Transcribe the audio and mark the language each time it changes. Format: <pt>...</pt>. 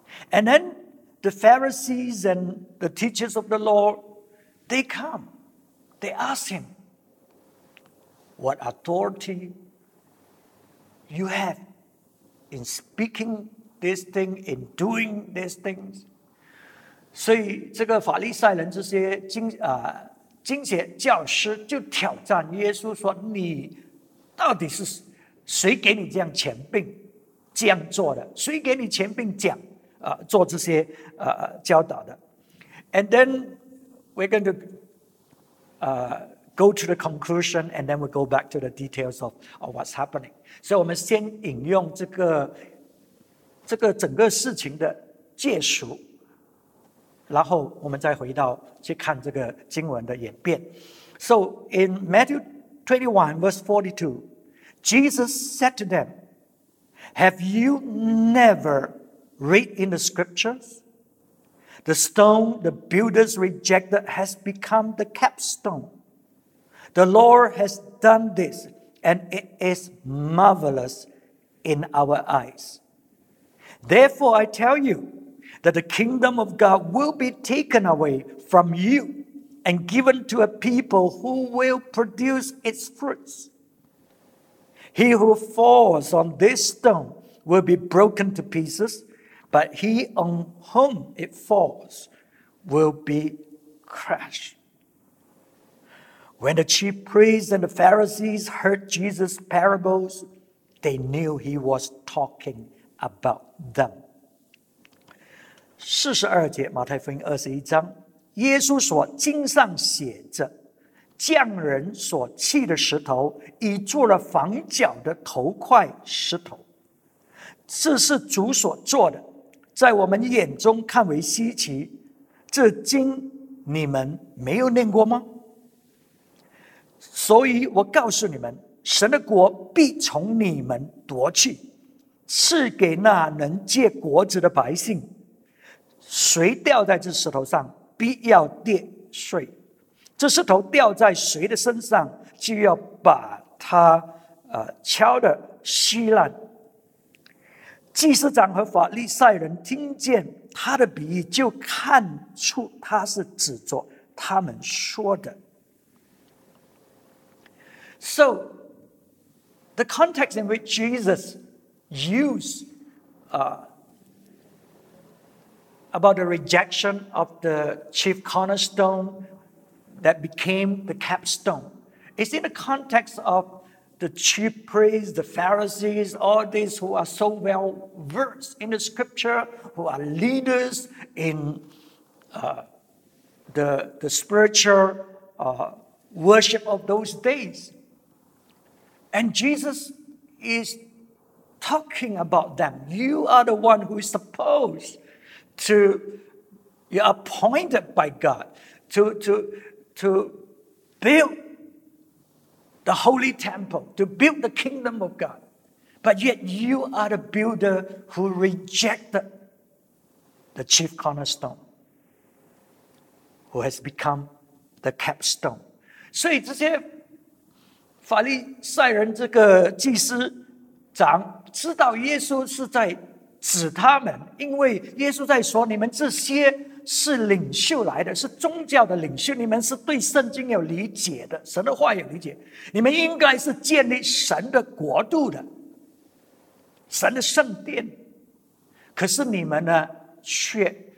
<en>And then the Pharisees and the teachers of the law, they come. They ask him, "What authority you have in speaking this thing, in doing these things?"</en> <zh>所以这个法利赛人这些经学教师就挑战耶稣说，你到底是谁给你这样权柄这样做的，谁给你权柄讲做这些教导的。</zh> <en>And then we're going to go to the conclusion, and then we'll go back to the details of what's happening.</en> <zh>所以我们先引用这个整个事情的介述，然后我们再回到去看这个经文的演变。</zh> <en>So in Matthew 21 verse 42, Jesus said to them, "Have you never read in the scriptures? The stone the builders rejected has become the capstone. The Lord has done this, and it is marvelous in our eyes. Therefore I tell you,that the kingdom of God will be taken away from you and given to a people who will produce its fruits. He who falls on this stone will be broken to pieces, but he on whom it falls will be crushed." When the chief priests and the Pharisees heard Jesus' parables, they knew he was talking about them.</en> <zh>42节，马太福音21章，耶稣所经上写着，匠人所砌的石头已做了房角的头块石头，这是主所做的，在我们眼中看为稀奇，这经你们没有念过吗？所以我告诉你们，神的国必从你们夺去，赐给那能借果子的百姓，谁掉在这石头上必要跌碎，这石头掉在谁的身上就要把它敲得稀烂。祭司长和法利赛人听见他的比喻，就看出他是指着他们说的。</zh> <en>So the context in which Jesus used about the rejection of the chief cornerstone that became the capstone, it's in the context of the chief priests, the Pharisees, all these who are so well versed in the scripture, who are leaders in the spiritual worship of those days. And Jesus is talking about them. You are the one who is supposed to be appointed by God to build the holy temple, to build the kingdom of God. But yet you are the builder who rejected the chief cornerstone, who has become the capstone.</en> <zh>所以这些法利赛人这个祭司长知道耶稣是在指他们，因为耶稣在说，你们这些是领袖来的，是宗教的领袖，你们是对圣经有理解的，神的话有理解，你们应该是建立神的国度的，神的圣殿，可是你们呢却</zh>